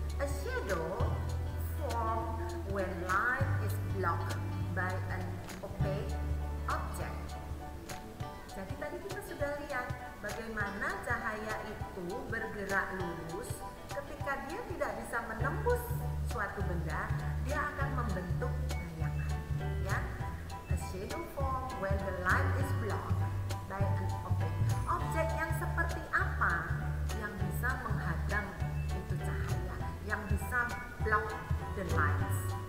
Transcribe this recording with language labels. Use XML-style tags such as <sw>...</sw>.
<en>A shadow formed when light is blocked by an opaque object.</en> <id>Jadi tadi kita sudah lihat bagaimana cahaya itu bergerak lurus ketika dia tidak bisa menembus suatu benda, dia akan membentuk bayangan. Ya.</id> <en>A shadow when the light is blocked by an object.</en> <id>Objek yang seperti apa yang bisa menghadang itu cahaya, yang bisa</id> <en>block the lights?</en>